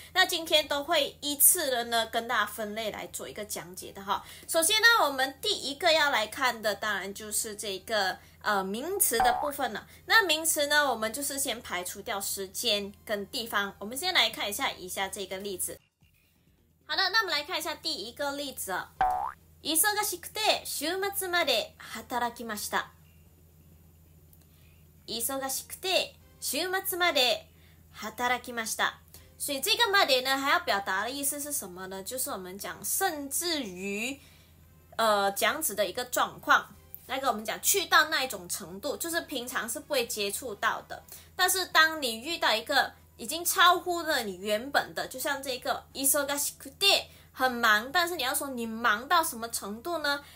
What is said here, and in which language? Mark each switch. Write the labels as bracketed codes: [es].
[zh] 那今天都会依次的呢跟大家分类来做一个讲解的哈。首先呢，我们第一个要来看的当然就是这个名词的部分了。那名词呢，我们就是先排除掉时间跟地方，我们先来看一下以下这个例子。好的，那我们来看一下第一个例子。 [ja] 忙しくて週末まで働きました。忙しくて週末まで働きました。 [zh] 所以这个 muddy 呢，还要表达的意思是什么呢？就是我们讲甚至于，这样子的一个状况，来跟我们讲去到那一种程度，就是平常是不会接触到的。但是当你遇到一个已经超乎了你原本的，就像这个 [ja] 忙しくて [zh] 很忙，但是你要说你忙到什么程度呢？